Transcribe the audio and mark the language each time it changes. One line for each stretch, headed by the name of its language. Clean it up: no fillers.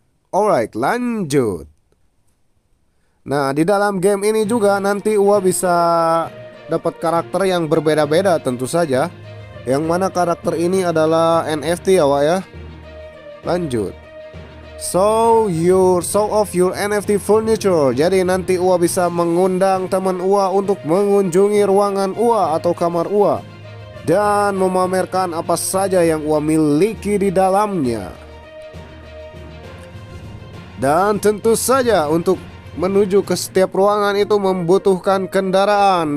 Indonesian: Alright, lanjut. Nah, di dalam game ini juga nanti gua bisa dapat karakter yang berbeda-beda tentu saja. Yang mana karakter ini adalah NFT ya wak ya. Lanjut.
English: Show off your NFT furniture.
Indonesian: Jadi nanti ua bisa mengundang teman ua untuk mengunjungi ruangan ua atau kamar ua dan memamerkan apa saja yang ua miliki di dalamnya. Dan tentu saja untuk menuju ke setiap ruangan itu membutuhkan kendaraan.